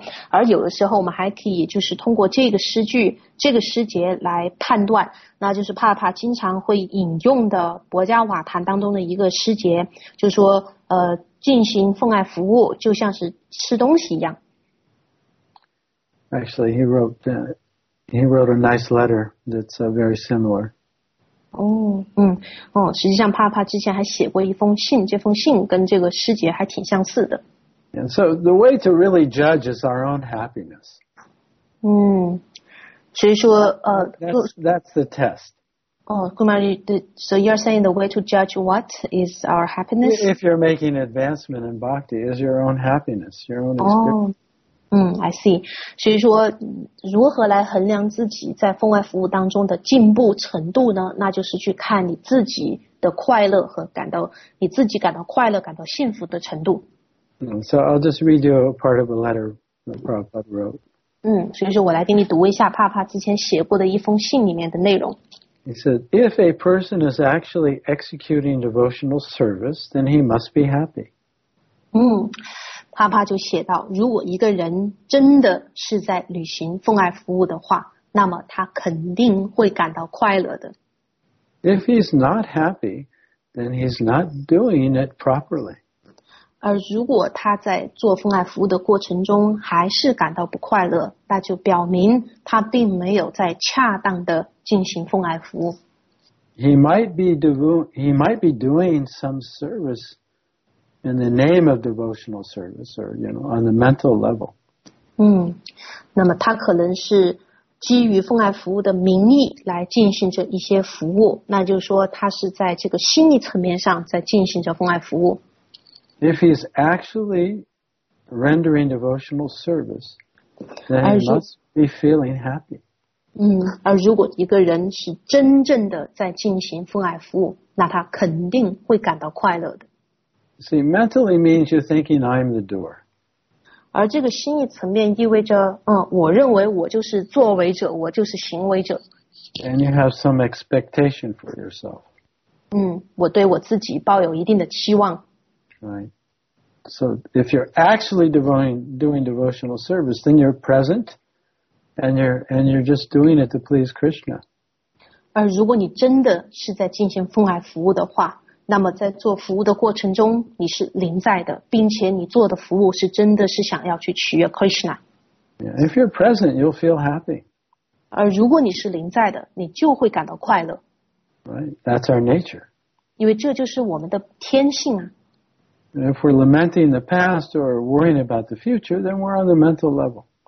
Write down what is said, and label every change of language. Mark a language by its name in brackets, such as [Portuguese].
[Chinese] 而有的时候我们还可以就是通过这个诗句，这个诗节来判断，那就是帕帕经常会引用的薄伽瓦坛当中的一个诗节，就说进行奉爱服务就像是吃东西一样。 [English] Actually, he wrote a nice letter that's very similar. [Chinese] 实际上帕帕之前还写过一封信，这封信跟这个师姐还挺相似的。 [English] And so the way to really judge is our own happiness. [Chinese] 所以说 [English] That's the test. Oh, Kumari, so you're saying the way to judge what is our happiness? If you're making advancement in bhakti, is your own happiness, your own experience. Oh, I see. [Chinese] 所以说，如何来衡量自己在奉外服务当中的进步程度呢？那就是去看你自己的快乐和感到你自己感到快乐、感到幸福的程度。 [English] So I'll just read you a part of a letter that Prabhupada wrote. [Chinese] 所以说我来给你读一下帕帕之前写过的一封信里面的内容。 [English] He said, if a person is actually executing devotional service, then he must be happy. [Chinese] 帕帕就写到，如果一个人真的是在履行奉爱服务的话，那么他肯定会感到快乐的。 [English] If he's not happy, then he's not doing it properly. [Chinese] 而如果他在做奉爱服务的过程中还是感到不快乐，那就表明他并没有在恰当的进行奉爱服务。 [English] He might be doing some service in the name of devotional service, or you know, on the mental level. [Chinese] 那么他可能是基于奉爱服务的名义来进行着一些服务，那就是说他是在这个心理层面上在进行着奉爱服务。 [English] If he's actually rendering devotional service, then he must be feeling happy. [Chinese] 而如果一个人是真正的在进行奉爱服务，那他肯定会感到快乐的。 [English] See, mentally means you're thinking I'm the door. [Chinese] 而这个心理层面意味着，我认为我就是作为者，我就是行为者。 [English] And you have some expectation for yourself. [Chinese] 我对我自己抱有一定的期望。 [English] Right. So if you're actually doing devotional service, then you're present and you're just doing it to please Krishna. [Chinese] 而如果你真的是在进行奉爱服务的话，那么在做服务的过程中你是临在的，并且你做的服务是真的是想要去取悦 Krishna. [English] Yeah, if you're present, you'll feel happy. [Chinese] 而如果你是临在的，你就会感到快乐。 [English] Right. That's our nature. [Chinese] 因为这就是我们的天性啊。 [English] If we're lamenting the past or worrying about the future, then we're on the mental level.